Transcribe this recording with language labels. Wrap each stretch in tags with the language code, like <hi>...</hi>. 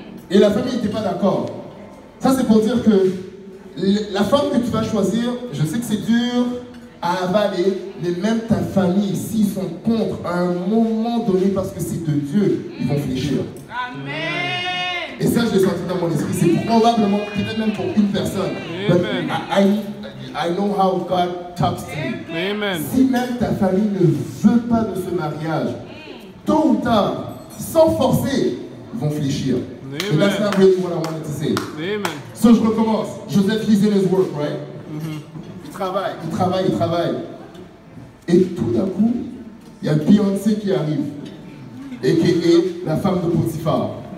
<fr>Et la famille n'était pas d'accord. Ça c'est pour dire que la femme que tu vas choisir, je sais que c'est dur à avaler, mais même ta famille, s'ils sont contre, à un moment donné, parce que c'est de Dieu, ils vont fléchir. Amen. Et ça, je l'ai senti dans mon esprit, c'est probablement, peut-être même pour une personne. Amen.</fr> <en>I know how God talks to me. Amen.</en> <fr>Si même ta famille ne veut pas de ce mariage, tôt ou tard, sans forcer, ils vont fléchir. Amen.</fr> <en>And that's not really what I wanted to say. Amen.</en> <fr>So je recommence.</fr> <en>Joseph is in his work, right? Mm-hmm.</en> <fr>Il travaille. Et tout d'un coup, il y a Beyoncé qui arrive. Et qui est la femme de Potiphar.</fr>